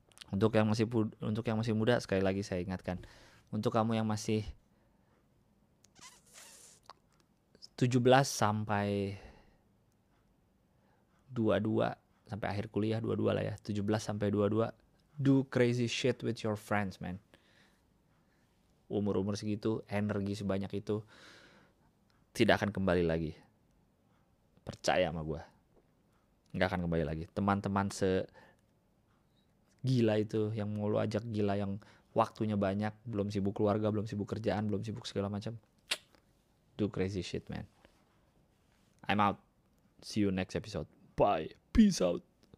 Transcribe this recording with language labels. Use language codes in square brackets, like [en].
[id] Untuk yang masih muda. Sekali lagi saya ingatkan. Untuk kamu yang masih 17 sampai 22 sampai akhir kuliah 22 lah ya. [en] 17 [id] sampai [en] 22 do crazy shit with your friends, man. [id] Umur-umur segitu, energi sebanyak itu tidak akan kembali lagi. Percaya sama gua. Enggak akan kembali lagi. Teman-teman se gila itu yang mau lu ajak gila, yang waktunya banyak, belum sibuk keluarga, belum sibuk kerjaan, belum sibuk segala macam. [en] Do crazy shit, man. I'm out. See you next episode. Bye. Peace out.